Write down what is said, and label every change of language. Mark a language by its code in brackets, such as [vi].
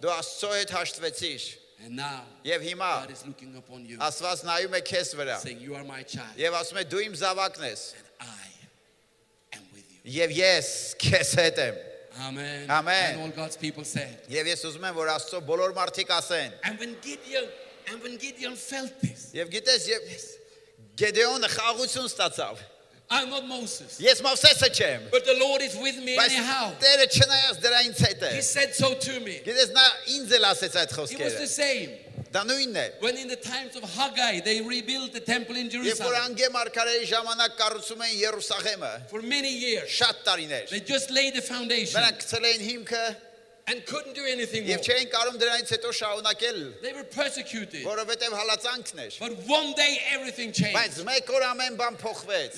[hy] դու Աստծո հետ հաշտվեցիր [en] and now [hy] եւ հիմա [en] god is looking upon you [hy] Աստված նայում է քեզ վրա [en] saying you are my child [hy] եւ ասում է դու իմ զավակն ես [en] and I am with you [hy] եւ ես քեզ հետ եմ [en] amen amen and all god's people said [hy] եւ ես ուզում եմ որ Աստծո բոլոր մարդիկ ասեն [en] and when Gideon And when Gideon felt this. [hy] Եվ գիտես, եւ Գեդեոնը խաղություն ստացավ. [en] I'm not Moses. [hy] Ես Մովսեսը չեմ. [en] But the Lord is with me anyhow. [hy] Բայց Տերը չնայած դրա ինձ հետ է. [en] He said so to me. [hy] Գիտես, նա ինձ էլ ասեց այդ խոսքերը. [en] He was the same. [hy] Դա նույնն է. [en] When in the times of Haggai they rebuilt the temple in Jerusalem. [hy] Երբ որ անգե մարգարեի ժամանակ կառուցում էին Երուսաղեմը. [en] For many years. [hy] Շատ տարիներ. [en] They just laid the foundation. [hy] Նրանք գցել էին հիմքը. [en] And couldn't do anything more. [hy] Եվ չէին կարում դրանից հետո շահունակել. [en] They were persecuted. [hy] Որովհետև հալածանքն էր. [en] But one day everything changed. [hy] Բայց մեկ օր ամեն բան փոխվեց.